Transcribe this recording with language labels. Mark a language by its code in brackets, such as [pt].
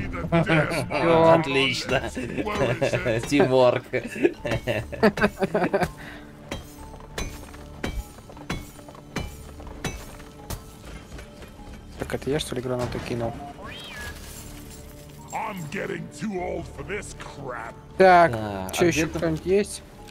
[ru] Отлично. Тиморк. Так это я, что ли, гранату кинул? [en] I'm getting too old for this crap. [ru] Так, а, что а еще кто-нибудь есть?